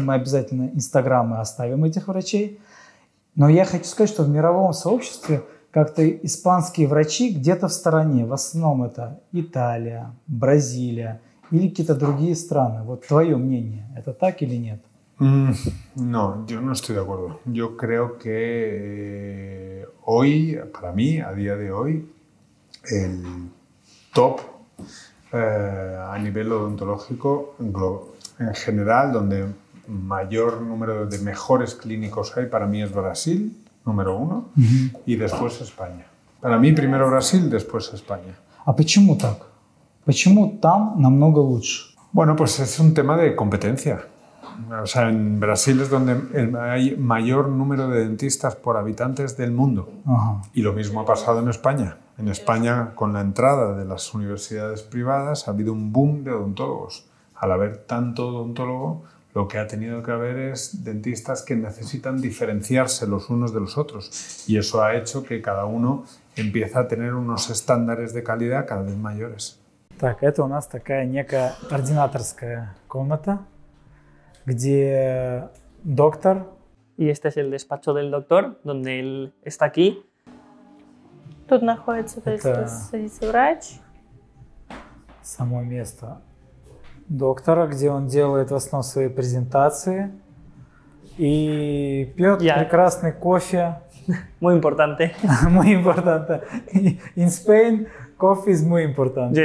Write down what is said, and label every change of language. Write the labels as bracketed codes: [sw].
[ru] Мы обязательно инстаграмы оставим этих врачей. Но я хочу сказать, что в мировом сообществе как-то испанские врачи где-то в стороне. В основном это Италия, Бразилия. Или какие-то другие страны. Вот твое мнение, это так или нет? [es] No, yo no estoy de acuerdo. Yo creo que hoy, para mí, a día de hoy, el top a nivel odontológico, en general, donde mayor número de mejores clínicos hay, para mí es Brasil, número uno, uh-huh. y después España. Para мí primero Brasil, después España. [ru] А почему так? Почему там намного лучше? [es] Bueno, pues es un tema de competencia. O sea, en Brasil es donde hay mayor número de dentistas por habitantes del mundo. Uh-huh. Y lo mismo ha pasado en España. En España, con la entrada de las universidades privadas, ha habido un boom de odontólogos. Al haber tanto odontólogo, lo que ha tenido que haber es dentistas que necesitan diferenciarse los unos de los otros. Y eso ha hecho que cada uno empiece a tener unos estándares de calidad cada vez mayores. [ru] Так, это у нас такая некая ординаторская комната, где доктор. И [es] este es el despacho del doctor, donde él está aquí. [ru] Тут находится, то есть садится врач. Само место доктора, где он делает в основном свои презентации и пьет прекрасный кофе. [es] Muy importante. Muy importante. [en] In Spain, coffee is [es] muy importante.